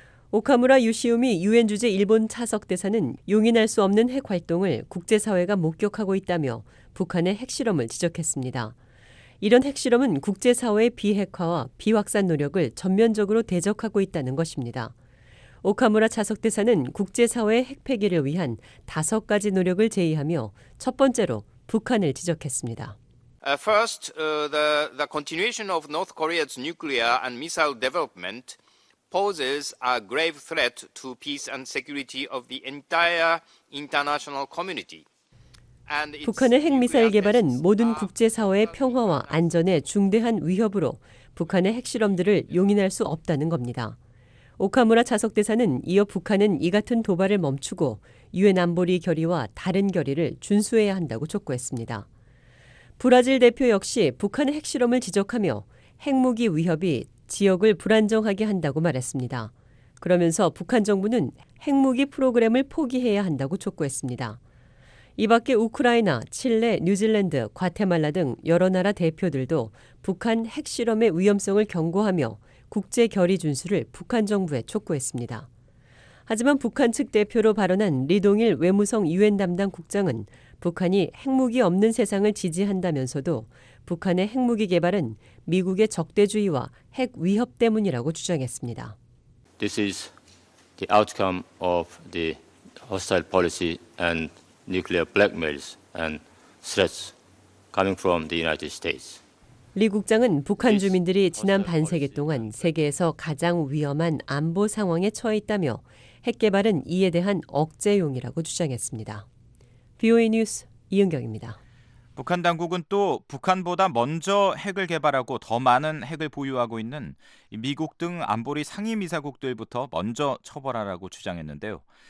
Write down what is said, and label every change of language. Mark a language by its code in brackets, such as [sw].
[ko] 오카무라 유시우미 유엔 주재 일본 차석 대사는 용인할 수 없는 핵활동을 국제사회가 목격하고 있다며 북한의 핵실험을 지적했습니다. 이런 핵실험은 국제사회의 비핵화와 비확산 노력을 전면적으로 대적하고 있다는 것입니다. 오카무라 차석대사는 국제사회의 핵폐기를 위한 다섯 가지 노력을 제의하며 첫 번째로 북한을 지적했습니다. [en] First, the continuation of North Korea's nuclear and missile development poses a grave threat to peace and security of the entire international community. [ko] 북한의 핵미사일 개발은 모든 국제사회의 평화와 안전에 중대한 위협으로 북한의 핵실험들을 용인할 수 없다는 겁니다. 오카무라 차석대사는 이어 북한은 이 같은 도발을 멈추고 유엔 안보리 결의와 다른 결의를 준수해야 한다고 촉구했습니다. 브라질 대표 역시 북한의 핵실험을 지적하며 핵무기 위협이 지역을 불안정하게 한다고 말했습니다. 그러면서 북한 정부는 핵무기 프로그램을 포기해야 한다고 촉구했습니다. 이 밖에 우크라이나, 칠레, 뉴질랜드, 과테말라 등 여러 나라 대표들도 북한 핵실험의 위험성을 경고하며 국제 결의 준수를 북한 정부에 촉구했습니다. 하지만 북한 측 대표로 발언한 리동일 외무성 유엔 담당 국장은 북한이 핵무기 없는 세상을 지지한다면서도 북한의 핵무기 개발은 미국의 적대주의와 핵 위협 때문이라고 주장했습니다. [en] This is the outcome of the hostile policy and nuclear blackmails and threats coming from the United States. [ko] 리 국장은 북한 주민들이 지난 반세기 동안 세계에서 가장 위험한 안보 상황에 처해 있다며 핵 개발은 이에 대한 억제용이라고 주장했습니다. VOA 뉴스 이은경입니다. 북한 당국은 또 북한보다 먼저 핵을 개발하고 더 많은 핵을 보유하고 있는 미국 등 안보리 상임이사국들부터 먼저 처벌하라고 주장했는데요.